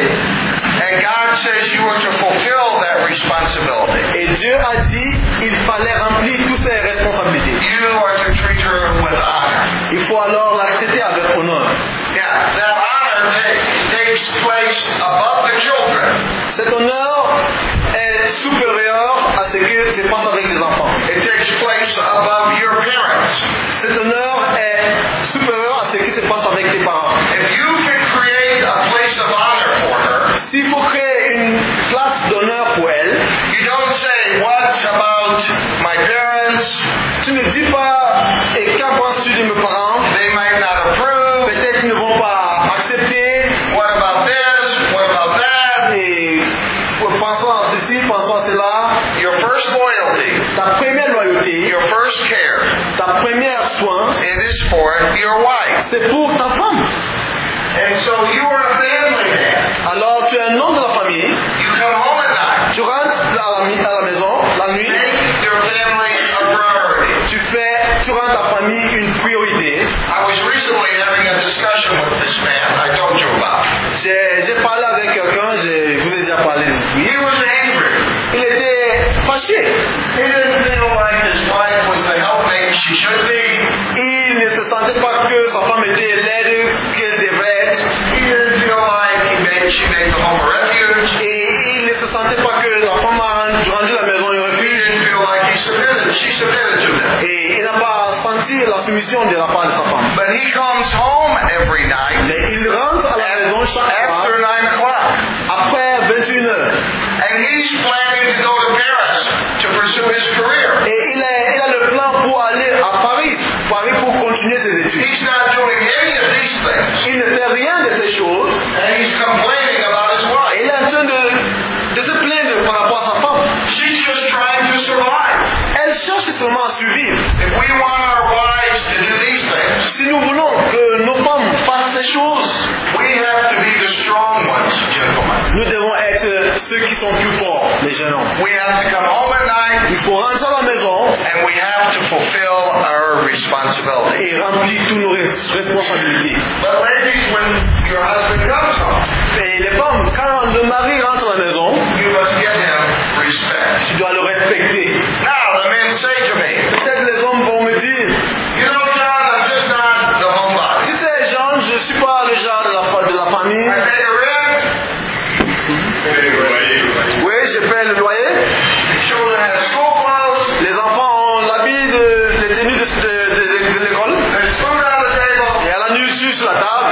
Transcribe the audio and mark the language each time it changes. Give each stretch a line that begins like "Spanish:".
English: And God says you are to fulfill that responsibility.
French: Et Dieu a dit il fallait remplir toutes ses responsabilités.
English: You are to treat her with honor.
French: Il faut alors la traiter avec honneur.
English: Yeah, that honor takes place above the children.
French: Cet honneur est supérieur à ce que se passe avec les enfants.
English: It takes place above your parents.
French: Cet honneur est supérieur à ce que se passe avec tes parents.
English: If you can create a place of honor for her,
French: s'il faut créer une place d'honneur pour elle,
English: you don't say, what about my parents?
French: Tu ne dis pas, et qu'en penses-tu de mes parents?
English: They might not approve.
French: Peut-être qu'ils ne vont pas accepter.
English: What about this? What about that?
French: Et pensons à ceci, pensons à cela.
English: Your first loyalty.
French: Ta première loyauté.
English: Your first care.
French: Ta première soin.
English: It is for your wife.
French: C'est pour ta femme.
English: And so you are a family man.
French: Alors tu es un homme de la famille.
English: You come home at night.
French: Tu rentres à la maison la nuit.
English: Make your family a priority.
French: Tu rends ta famille une priorité.
English: I was recently having a discussion with this man I told you about.
French: J'ai parlé avec quelqu'un, je vous ai déjà parlé de lui.
English: He was angry.
French: Il était fâché.
English: He didn't feel like his wife was the helpmate she should be.
French: Il ne se sentait pas que sa femme était l'aide qu'elle devrait être.
English: She made the home a refuge.
French: Et il ne se sentait pas que la femme a rendu la maison un refuge.
English: He didn't feel like he submitted. She submitted to him.
French: Et il n'a pas senti la soumission de la part de sa femme.
English: But he comes home every night.
French: Mais il rentre à la maison chaque
English: after
French: fois.
English: After 9 o'clock.
French: Après 21h.
English: And he's planning to go to Paris to pursue his career.
French: Et il a le plan pour aller à Paris pour continuer ses études.
English: He's not doing any of these things.
French: Il ne fait rien de ces choses.
English: And he's complaining about his wife.
French: Il est en train de se plaindre par rapport à sa femme.
English: She's just trying to survive.
French: Elle cherche seulement à survivre.
English: If we want our wives to do these things,
French: si nous voulons que nos femmes fassent ces choses,
English: we have to be the strong ones, gentlemen.
French: Nous devons être ceux qui sont plus forts, les jeunes hommes.
English: We have to come home at night.
French: Il faut rentrer à la maison.
English: And we have to fulfill our responsibility.
French: Et remplir toutes nos responsabilités.
English: But ladies, when your husband comes home,
French: et les femmes, quand le mari rentre à la maison,
English: you must give him respect.
French: Tu dois le respecter.
English: Now, the men say to me,
French: peut-être les hommes vont me dire,
English: you know, John, I'm just not the homebody.
French: Tu sais, John, je ne suis pas le genre de la famille.
English: I pay the rent.
French: Oui, je paye le loyer.
English: Children have school clothes.
French: Les enfants ont l'habit de les tenues de l'école.
English: There's food on the table.
French: Il y a la nourriture sur la table.